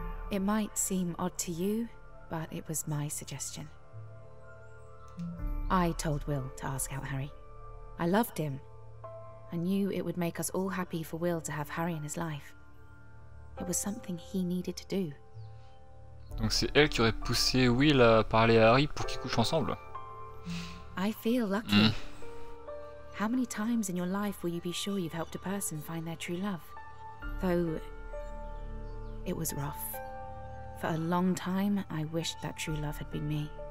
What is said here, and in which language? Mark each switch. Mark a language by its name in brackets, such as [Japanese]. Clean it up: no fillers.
[English] It might seem odd to you, but it was my suggestion. I told Will to ask out Harry. I loved him. I knew it would make us all happy for Will to have Harry in his life. It was something he needed to do. [French] Donc c'est elle qui aurait poussé Will à parler à Harry pour qu'ils couchent ensemble. [English] I feel lucky. How many times in your life will you be sure you've helped a person find their true love? Though it was rough. For a long time, I wished that true love had been me.